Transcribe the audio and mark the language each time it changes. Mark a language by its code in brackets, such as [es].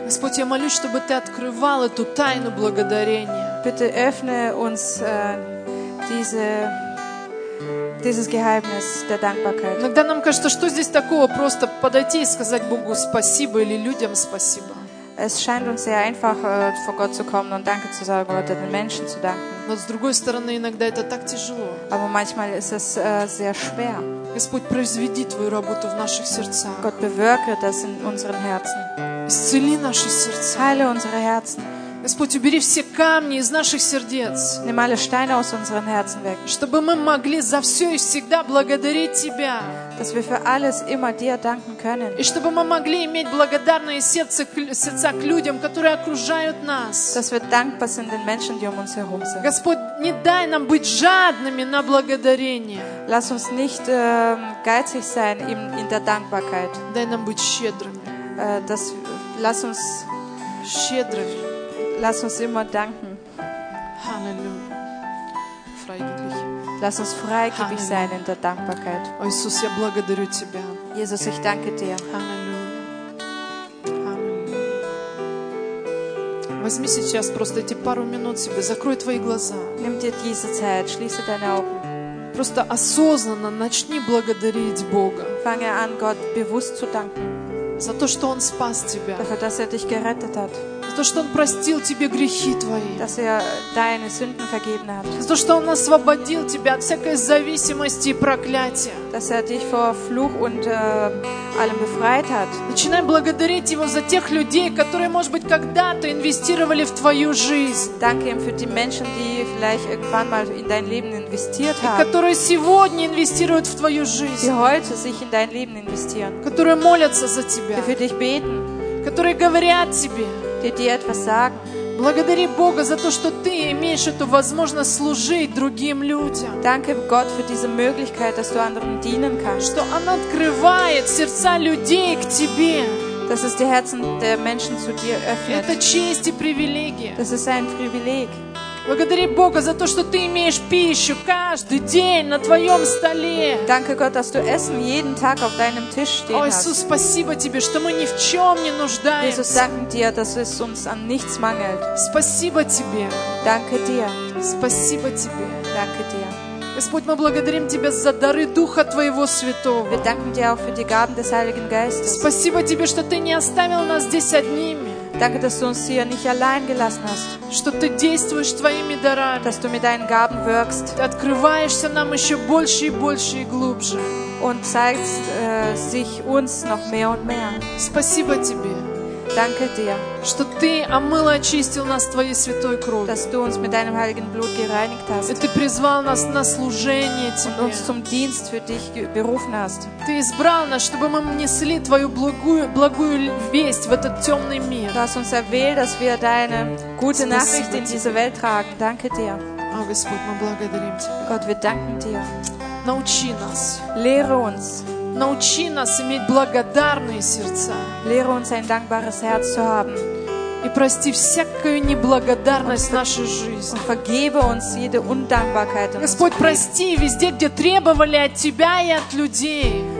[ru] Господь, я молюсь, чтобы ты открывал эту тайну благодарения. [de] Bitte öffne uns dieses Geheimnis der Dankbarkeit. [ru] Иногда нам кажется, что здесь такого, просто подойти и сказать Богу спасибо или людям спасибо. [de] Es scheint uns sehr einfach, vor Gott zu kommen und Danke zu sagen oder den Menschen zu danken. [ru] Но с другой стороны, иногда это так тяжело. [de] Aber manchmal ist es sehr schwer. [ru] Господь, произведи твою работу в наших сердцах. [de] Gott, bewirke das in unseren Herzen. [ru] Исцели наши сердца. [de] Heile unsere Herzen. [ru] Господь, убери все камни из наших сердец. [de] Nimm alle Steine aus unseren Herzen weg. [ru] Чтобы мы могли за все и всегда благодарить Тебя. [de] Dass wir für alles immer dir danken können. [ru] И чтобы мы могли иметь благодарные сердца к людям, которые окружают нас. [de] Dass wir dankbar sind den Menschen, die um uns herum sind. [ru] Господь, не дай нам быть жадными на благодарение. [de] Lass uns nicht geizig sein in der Dankbarkeit. [ru] Дай нам быть щедрыми. [de] Lass uns [ru] щедрыми. [de] Lass uns immer danken. Halleluja. Freigebig. Lass uns freigebig Halleluja. Sein in der Dankbarkeit. [ru] Jesus, я благодарю тебя. [de] Jesus, ich danke dir. Halleluja. Halleluja. [ru] Возьми сейчас просто эти пару минут себе. Закрой твои глаза. [de] Nimm dir diese Zeit. Schließe deine Augen. [ru] Просто осознанно начни благодарить Бога. [de] Fange an, Gott bewusst zu danken. [ru] За то, что Он спас тебя. [de] Dafür, dass er dich gerettet hat. [ru] За то, что Он простил тебе грехи твои. [de] Dass er deine Sünden vergeben hat. [ru] За то, что Он освободил тебя от всякой зависимости и проклятия. [de] Dass er dich vor Fluch und allem befreit hat. [ru] Начинай благодарить Его за тех людей, которые, может быть, когда-то инвестировали в твою жизнь. [de] Danke ihm für die Menschen, die vielleicht irgendwann mal in dein Leben investiert haben. [ru] И которые сегодня инвестируют в твою жизнь. [de] Die heute sich in dein Leben investieren. [ru] Которые молятся за тебя. [de] Die für dich beten. [ru] Которые говорят тебе. [de] Die dir etwas sagen. [ru] Благодари Бога за то, что ты имеешь эту возможность служить другим людям. [de] Danke Gott für diese Möglichkeit, dass du anderen dienen kannst. [ru] Что она открывает сердца людей к тебе. [de] Dass es die Herzen der Menschen zu dir öffnet. [ru] Это честь и привилегия. [de] Das ist ein Privileg. [ru] Благодари Бога за то, что ты имеешь пищу каждый день на твоем столе. [de] Danke Gott, dass du Essen jeden Tag auf deinem Tisch stehen hast. [ru] О, Иисус, спасибо тебе, что мы ни в чем не нуждаемся. [de] Jesus, danke dir, dass es uns an nichts mangelt. [ru] Спасибо тебе. [de] Danke dir. [ru] Спасибо тебе. [de] Danke dir. [ru] Господь, мы благодарим Тебя за дары Духа Твоего Святого. [de] Wir danken dir auch für die Gaben des Heiligen Geistes. [ru] Спасибо Тебе, что Ты не оставил нас здесь одними. [de] Danke, dass du uns hier nicht allein gelassen hast. [ru] Что ты действуешь твоими дарами. [de] Dass du mit deinen Gaben wirkst. [ru] Ты открываешься нам еще больше и больше и глубже. [de] Und zeigst sich uns noch mehr und mehr. [ru] Спасибо тебе. [de] Danke dir. [ru] Что ты омыл и очистил нас твоей святой кровью. [de] Dass du uns mit deinem heiligen Blut gereinigt hast. [ru] И ты призвал нас на служение тебе. [de] Und uns zum Dienst für dich berufen hast. [ru] Ты избрал нас, чтобы мы несли твою благую весть в этот темный мир. [de] Du hast uns erwählt, dass wir deine gute Nachricht in diese Welt tragen. Danke dir. [ru] О, Господь, мы благодарим тебя. [de] Gott, wir danken dir. [ru] Научи нас. [de] Lehre uns. [ru] Научи нас иметь благодарные сердца. [de] Lehre uns ein dankbares Herz zu haben. [ru] И прости всякую неблагодарность нашей жизни. [de] Vergebe uns jede Undankbarkeit. [ru] Господь, прости везде, где требовали от тебя и от людей.